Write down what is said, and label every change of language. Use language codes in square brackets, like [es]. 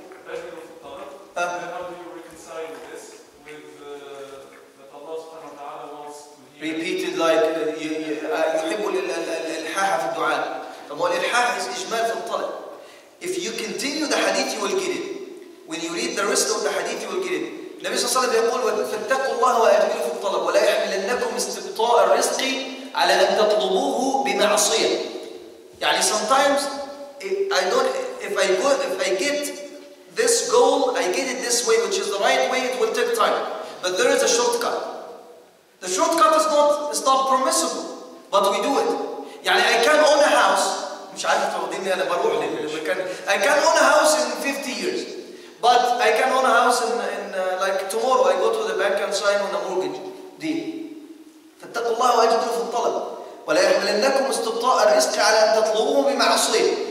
[ar] أجمل في الطلب. [en] How do you reconcile this repeated like [ar] يحب الإلحاح في الدعاء. طب والإلحاح [en] is [ar] إجمال في الطلب. [en] If you continue the hadith, you will get it. When you read the rest of the hadith, you will get it. [ar] النبي صلى الله عليه وسلم يقول فاتقوا الله وأجملوا في الطلب ولا يحملنكم استبطاء الرزق على أن تطلبوه بمعصية. يعني [en] sometimes if I get this goal, I get it this way, which is the right way, it will take time. But there is a shortcut. The shortcut is not permissible, but we do it. [ar] يعني [en] I can own a house. [ar] مش عارف توديني أنا بروح للمكان. [en] I can own a house in 50 years, but I can own a house in like tomorrow. I go to the bank and sign on a mortgage deal. [ar] فاتقوا الله واجتهدوا في الطلب. ولا يحملنكم استبطاء الرزق على أن تطلبوه بمعصية.